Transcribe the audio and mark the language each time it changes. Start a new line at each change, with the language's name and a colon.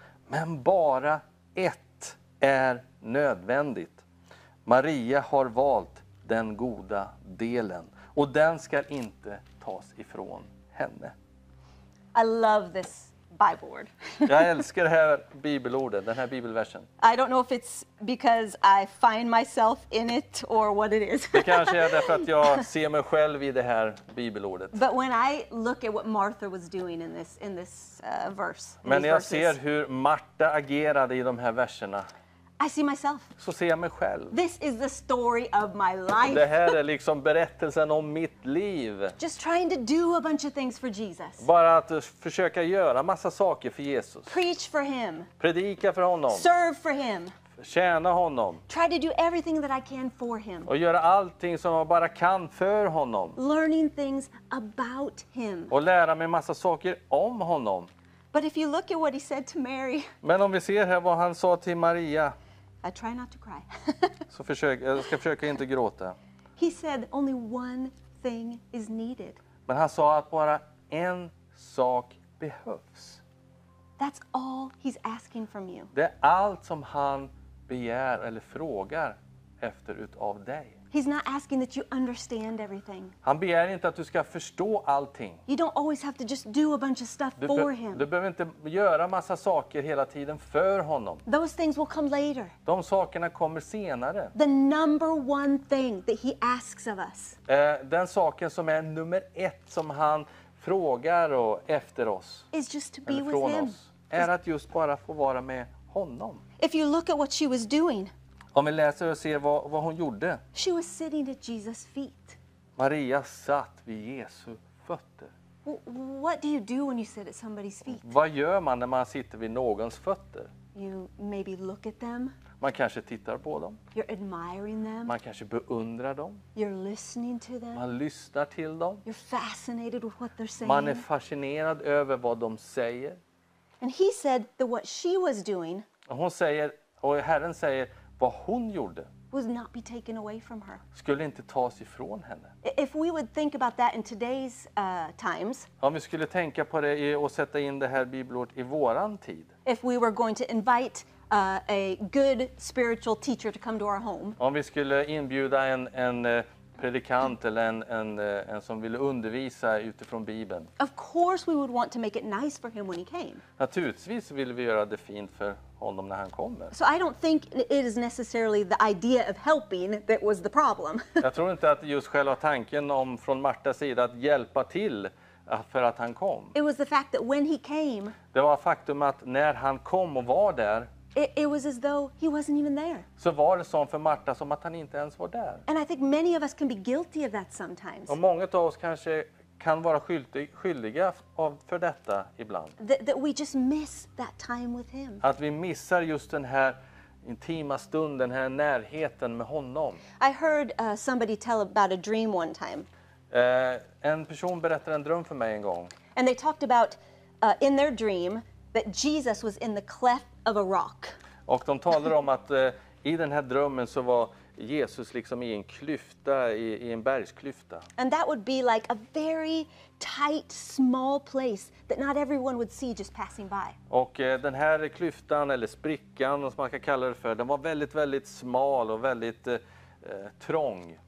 Swedish: Men bara ett är nödvändigt. Maria har valt den goda delen och den ska inte tas ifrån henne.
English: I love this Bible word.
Swedish: Jag älskar det här bibelordet, den här bibelversen.
English: I don't know if it's because I find myself in it or what it is.
Swedish: Det kanske är därför att jag ser mig själv i det här bibelordet.
English: But when I look at what Martha was doing in this verse.
Swedish: Men jag ser hur Marta agerade i de här verserna.
English: I see myself.
Swedish: Så ser jag mig själv.
English: This is the story of my life.
Swedish: Det här är liksom berättelsen om mitt liv.
English: Just trying to do a bunch of things for Jesus.
Swedish: Bara att försöka göra massa saker för Jesus.
English: Preach for him.
Swedish: Predika för honom.
English: Serve for him.
Swedish: Tjäna honom.
English: Try to do everything that I can for him.
Swedish: Och göra allting som jag bara kan för honom.
English: Learning things about him.
Swedish: Och lära mig massa saker om honom.
English: But if you look at what he said to Mary.
Swedish: Men om vi ser här vad han sa till Maria.
English: I try not to cry.
Swedish: Så jag ska försöka inte gråta.
English: He said only one thing is needed.
Swedish: Men han sa att bara en sak behövs.
English: That's all he's asking from you.
Swedish: Det är allt som han begär eller frågar efter utav dig.
English: He's not asking that you understand everything.
Swedish: Han begär inte att du ska förstå allting.
English: You don't always have to just do a bunch of stuff for him.
Swedish: Du behöver inte göra massa saker hela tiden för honom.
English: Those things will come later.
Swedish: De sakerna kommer senare.
English: The number one thing that he asks of us.
Swedish: Den saken som är nummer ett som han frågar och efter oss.
English: Is just to be with him.
Swedish: Är att just bara få vara med honom.
English: If you look at what she was doing.
Swedish: Om vi läser och ser vad hon gjorde.
English: She was sitting at Jesus' feet.
Swedish: Maria satt vid Jesu fötter.
English: What do you do when you sit at somebody's feet?
Swedish: Vad gör man när man sitter vid någons fötter?
English: You maybe look at them.
Swedish: Man kanske tittar på dem.
English: You're admiring them.
Swedish: Man kanske beundrar dem.
English: You're listening to them.
Swedish: Man lyssnar till dem.
English: You're fascinated with what they're saying.
Swedish: Man är fascinerad över vad de säger.
English: And he said that what she was doing.
Swedish: Herren säger vad hon gjorde.
English: Would not be taken away from her.
Swedish: Skulle inte tas ifrån henne.
English: If we would think about that in today's times.
Swedish: Om vi skulle tänka på det och sätta in det här bibelordet i våran tid.
English: If we were going to invite a good spiritual teacher to come to our home.
Swedish: Om vi skulle inbjuda en predikant eller en som ville undervisa utifrån Bibeln.
English: Of course we would want to make it nice for him when he came.
Swedish: Naturligtvis vill vi göra det fint för honom när han kommer.
English: So I don't think it is necessarily the idea of helping that was the problem.
Swedish: Jag tror inte att just själva tanken om från Martas sida att hjälpa till för att han kom.
English: It was the fact that when he came.
Swedish: Det var faktum att när han kom och var där.
English: It was as though he wasn't even there.
Swedish: Så var det som för Marta som att han inte ens var där.
English: And I think many of us can be guilty of that sometimes.
Swedish: Och många av oss kanske kan vara skyldiga för detta ibland.
English: That we just miss that time with him.
Swedish: Att vi missar just den här intima stunden, den här närheten med honom.
English: I heard somebody tell about a dream one time.
Swedish: En person berättade en dröm för mig en gång.
English: And they talked about in their dream that Jesus was in the cleft of a rock.
Swedish: Och de talade om att i den här drömmen så var Jesus liksom i en klyfta, i en bergsklyfta.
English: And that would be like a very tight, small place that not everyone would see just passing by.
Swedish: Och den här klyftan eller sprickan som man kan kalla det för, den var väldigt, väldigt smal och väldigt trång.